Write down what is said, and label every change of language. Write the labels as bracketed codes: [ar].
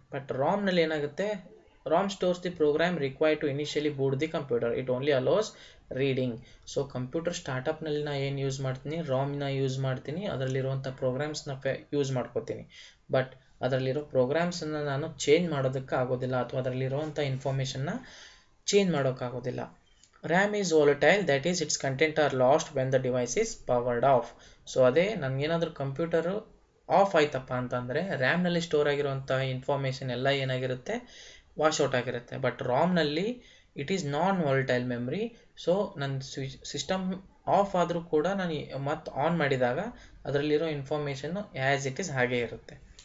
[kn] But ರಾಮ್ನಲ್ಲಿ ಏನಾಗುತ್ತೆ, [en] RAM stores the program require to initially boot the computer, it only allows reading. [kn] So computer ಸ್ಟಾರ್ಟಪ್ನಲ್ಲಿ ನಾ ಏನು use ಮಾಡ್ತೀನಿ, ರಾಮ್ನ use ಮಾಡ್ತೀನಿ, ಅದರಲ್ಲಿರುವಂಥ ಪ್ರೋಗ್ರಾಮ್ಸ್ನ use ಮಾಡ್ಕೋತೀನಿ. But ಅದರಲ್ಲಿರೋ ಪ್ರೋಗ್ರಾಮ್ಸನ್ನು ನಾನು ಚೇಂಜ್ ಮಾಡೋದಕ್ಕೆ ಆಗೋದಿಲ್ಲ, ಅಥವಾ ಅದರಲ್ಲಿರುವಂಥ ಇನ್ಫಾರ್ಮೇಷನ್ನ ಚೇಂಜ್ ಮಾಡೋಕ್ಕಾಗೋದಿಲ್ಲ. [en] RAM is volatile, that is its content are lost when the device is powered off. [kn] So ಅದೇ ನನಗೇನಾದರೂ ಕಂಪ್ಯೂಟರು ಆಫ್ ಆಯ್ತಪ್ಪ ಅಂತಂದರೆ ರ್ಯಾಮ್ನಲ್ಲಿ ಸ್ಟೋರ್ ಆಗಿರುವಂಥ ಇನ್ಫಾರ್ಮೇಷನ್ ಎಲ್ಲ ಏನಾಗಿರುತ್ತೆ, ವಾಶ್ ಔಟ್ ಆಗಿರುತ್ತೆ. But ರಾಮ್ನಲ್ಲಿ [en] It is non volatile memory. [kn] So ನನ್ನ ಸಿಸ್ಟಮ್ ಆಫ್ ಆದರೂ ಕೂಡ ನಾನು ಮತ್ತೆ ಆನ್ ಮಾಡಿದಾಗ ಅದರಲ್ಲಿರೋ ಇನ್ಫಾರ್ಮೇಷನ್ನು ಆ್ಯಸ್ ಇಟ್ ಈಸ್ ಹಾಗೆ ಇರುತ್ತೆ.